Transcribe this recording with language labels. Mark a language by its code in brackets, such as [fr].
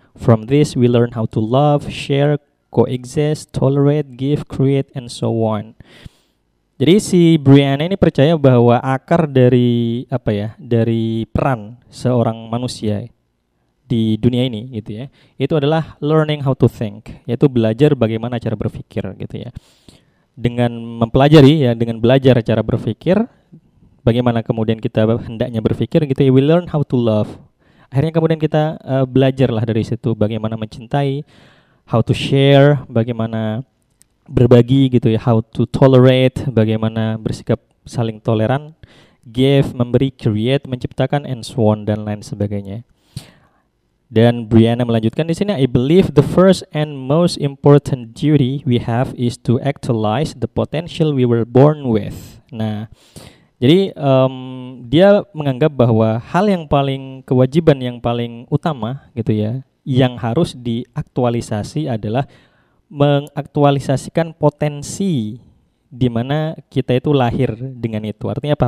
[en] From this we learn how to love, share, coexist, tolerate, give, create, and so on. [id] Jadi si Brianna ini percaya bahwa akar dari apa ya, dari peran seorang manusia di dunia ini gitu ya, itu adalah [en] learning how to think, [id] yaitu belajar bagaimana cara berpikir gitu ya. Dengan mempelajari ya, dengan belajar cara berpikir, bagaimana kemudian kita hendaknya berpikir gitu ya, [en] we learn how to love. [id] Akhirnya kemudian kita belajarlah dari situ bagaimana mencintai, [en] how to share, [id] bagaimana berbagi gitu ya, [en] how to tolerate, [id] bagaimana bersikap saling toleran, [en] give, [id] memberi, [en] create, [id] menciptakan, [en] and so on [id] dan lain sebagainya. [en] Dan Brianna melanjutkan di sini, I believe the first and most important duty we have is to actualize the potential we were born with. [id] Nah, jadi dia menganggap bahwa hal yang paling, kewajiban yang paling utama gitu ya, yang harus diaktualisasi adalah mengaktualisasikan potensi di mana kita itu lahir dengan itu. Artinya apa?